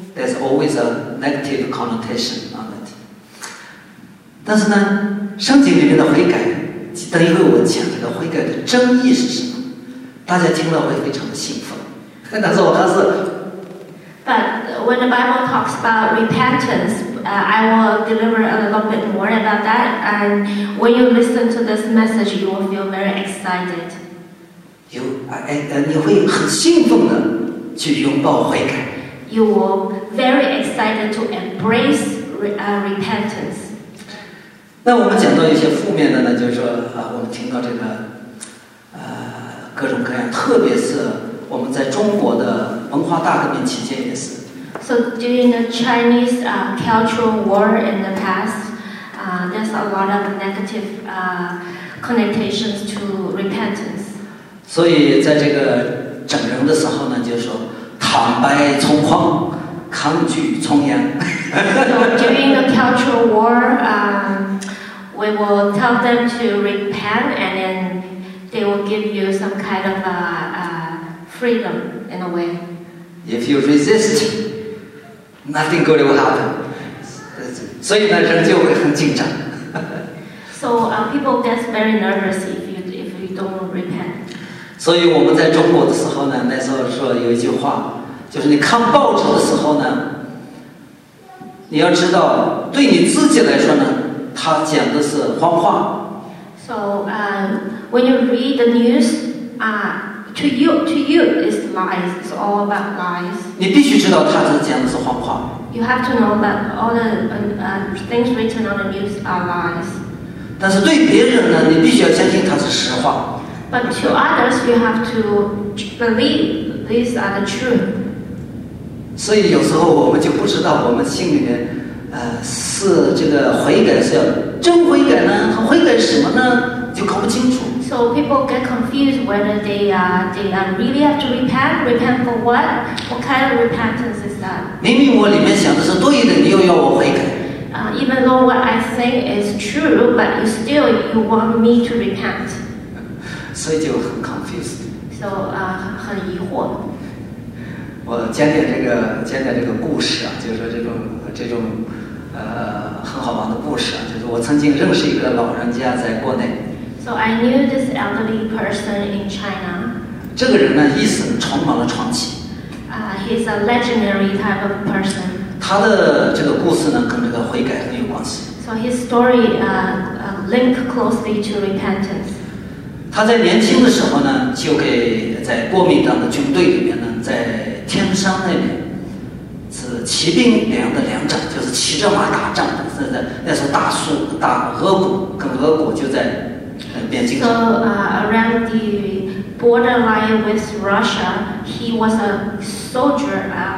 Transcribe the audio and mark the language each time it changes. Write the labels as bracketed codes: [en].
[en] There's always a negative connotation. [zh] 但是呢，圣经里面的悔改，等一会我讲这个悔改的真意是什么，大家听了会非常的兴奋。但是我还是。 [en] But when the Bible talks about repentance, I will deliver a little bit more about that. And when you listen to this message, you will feel very excited. [zh] 你会很兴奋的去拥抱悔改。 [en] You will very excited to embrace repentance. [zh] 那我们讲到一些负面的呢，就是说我们听到这个各种各样，特别是我们在中国的文化大革命期间也是。 [en] So during the Chinese cultural war in the past, there's a lot of negative connotations to repentance. [zh] 所以在这个整容的时候呢，就是说坦白从宽，抗拒从严。 [en] So during the cultural war, we will tell them to repent, and then they will give you some kind of freedom in a way. If you resist. Nothing good will happen. [zh] 所以呢，人就会很紧张。 [en] So people get very nervous if you don't repent. [zh] 所以我们在中国的时候呢，那时候说有一句话，就是你看报纸的时候呢，你要知道，对你自己来说呢，它讲的是谎话。 [en] So when you read the news, To you is lies. It's all about lies. [zh] 你必须知道他这讲的是谎话。 [en] You have to know that all the things written on the news are lies. [zh] 但是对别人呢，你必须要相信他是实话。 [en] But to others, you have to believe these are the truth. [zh] 所以有时候我们就不知道我们心里面，是这个悔改是要真悔改呢，和悔改什么呢，就搞不清楚。 [en] So people get confused whether they really have to repent. Repent for what? What kind of repentance is that? [zh] 明明我里面想的是对的，你又要我悔改。 [en] Even though what I say is true, but you still you want me to repent. [zh] 所以就很 [en] confused. [zh] So 很疑惑。我讲点这个故事啊，就是说这种很好玩的故事啊，就是我曾经认识一个老人家在国内。 [en] So I knew this elderly person in China. [zh] 这个人呢，一生充满了传奇。 [en] He's a legendary type of person. [zh] 他的这个故事呢，跟这个悔改很有关系。 [en] So his story link closely to repentance. [zh] 他在年轻的时候呢，就给在国民党的军队里面呢，在天山那边是骑兵连的连长，就是骑着马打仗的。是的，那时候打俄国，跟俄国就在。 [en] So around the borderline with Russia, he was a soldier.